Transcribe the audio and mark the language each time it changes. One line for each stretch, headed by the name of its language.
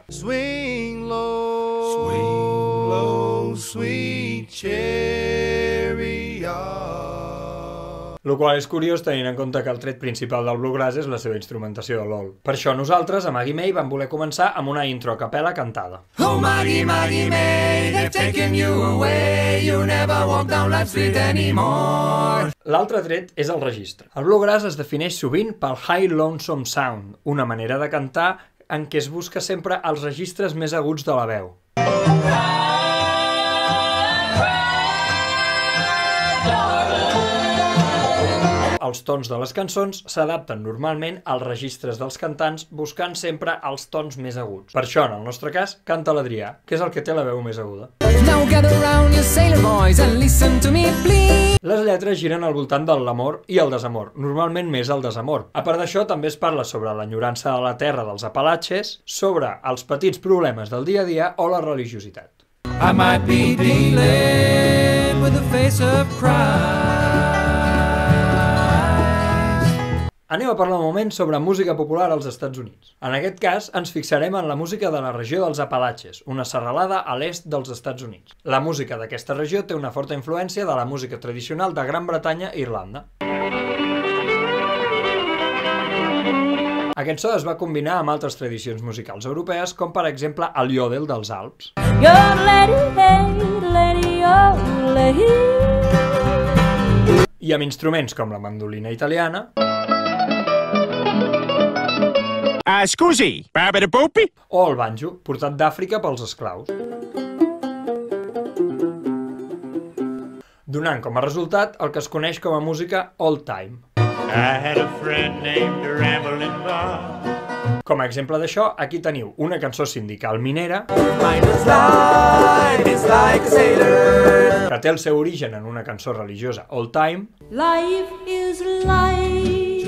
English: Swing low, swing low, sweet chariot.
Catalan: Lo qual és curiós tenint en compte que el tret principal del bluegrass és la seva instrumentació de l'ol. Per això nosaltres, a Maggie May, vam voler començar amb una intro a capella cantada.
English: Oh Maggie, Maggie May, they've taken you away, you never walk down that street anymore.
Catalan: L'altre tret és el registre. El bluegrass es defineix sovint pel high lonesome sound, una manera de cantar en què es busca sempre els registres més aguts de la veu. Els tons de les cançons s'adapten normalment als registres dels cantants buscant sempre els tons més aguts. Per això, en el nostre cas, canta l'Adrià, que és el que té la veu més aguda.
English: Now gather round your sailor boys and listen to me, please.
Catalan: Les lletres giren al voltant de l'amor i el desamor, normalment més el desamor. A part d'això, també es parla sobre l'enyorança de la terra dels Apalatxes, sobre els petits problemes del dia a dia o la religiositat.
English: I might be dealing with the face of Christ.
Catalan: Anem a parlar un moment sobre música popular als Estats Units. En aquest cas, ens fixarem en la música de la regió dels Apalatxes, una serralada a l'est dels Estats Units. La música d'aquesta regió té una forta influència de la música tradicional de Gran Bretanya i Irlanda. Aquest so es va combinar amb altres tradicions musicals europees, com per exemple el yodel dels Alps. I amb instruments com la mandolina italiana. Scusi, babadabupi. O el banjo, portat d'Àfrica pels esclaus. Donant com a resultat el que es coneix com a música old time.
English: I had a friend named Ramblin' Bob.
Catalan: Com a exemple d'això, aquí teniu una cançó sindical minera.
English: Mine is life, it's like a sailor.
Catalan: Que té el seu origen en una cançó religiosa old time.
English: Life is life.